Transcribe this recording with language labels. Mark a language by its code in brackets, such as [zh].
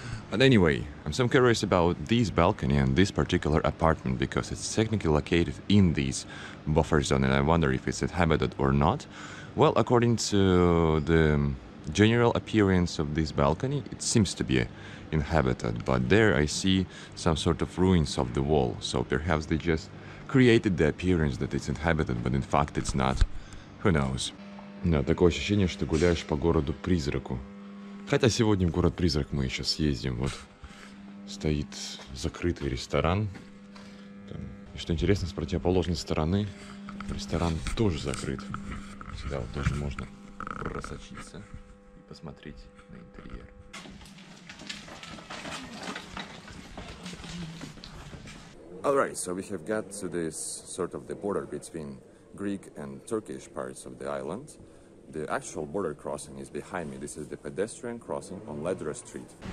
[en] But anyway, I'm so curious about this balcony and this particular apartment because it's technically located in this buffer zone, and I wonder if it's inhabited or not. Well, according to the general appearance of this balcony, it seems to be inhabited, but there I see some sort of ruins of the wall, so perhaps they just created the appearance that it's inhabited, but in fact it's not. Who knows? [ru] Да, такое ощущение, что гуляешь по городу-призраку. Хотя сегодня в город-призрак мы еще съездим. Вот стоит закрытый ресторан. Там, и что интересно, с противоположной стороны ресторан тоже закрыт. Сюда вот тоже можно просочиться и посмотреть на интерьер. [en] Alright, so we have got to this sort of the border between Greek and Turkish parts of the island. The actual border crossing is behind me. This is the pedestrian crossing on Ledra Street.